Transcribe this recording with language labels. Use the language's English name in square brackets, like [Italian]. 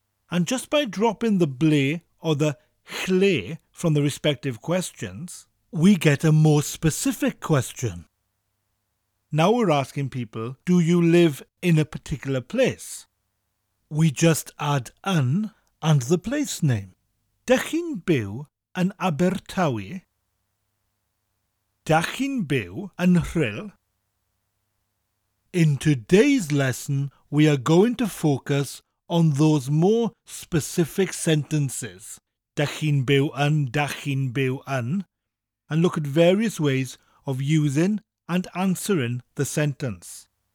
[English] And just by dropping the ble or the chle from the respective questions, we get a more specific question. Now we're asking people, do you live in a particular place? We just add an and the place name. [Welsh] Dach chi'n byw yn Abertawe? Dach chi'n byw yn Rhyl? [English] In today's lesson, we are going to focus on those more specific sentences. [Welsh] Dach chi'n byw yn, dach chi'n byw yn, [English] and look at various ways of using and answering the sentence.